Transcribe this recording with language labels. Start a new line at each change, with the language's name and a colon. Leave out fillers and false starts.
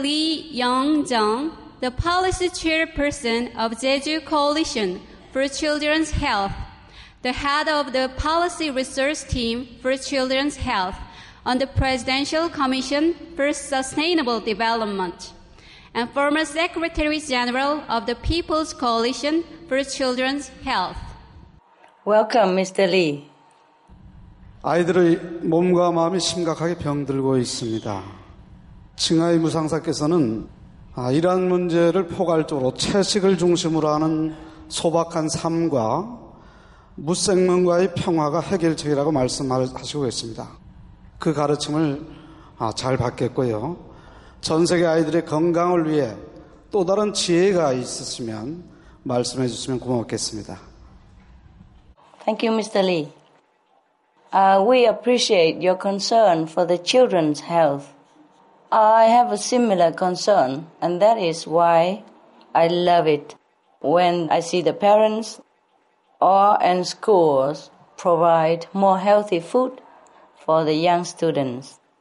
English: Lee Yong-jung, the policy chairperson of Jeju Coalition for Children's Health, the head of the Policy Resource Team for Children's Health on the Presidential Commission for Sustainable Development, and former Secretary General of the People's Coalition for Children's Health. Welcome, Mr. Lee.
Korean: 아이들의 몸과 마음이 심각하게 병들고 있습니다. 칭하이 무상사께서는 이러한 문제를 포괄적으로 채식을 중심으로 하는 소박한 삶과 무생명과의 평화가 해결책이라고 말씀하시고 계십니다. 그 가르침을 잘 받겠고요. 전 세계 아이들의 건강을 위해 또 다른 지혜가 있으시면 말씀해 주시면 고맙겠습니다.
English: Thank you, Mr. Lee. We appreciate your concern for the children's health. I have a similar concern, and that is why I love it when I see the parents or and schools provide more healthy food for the young students.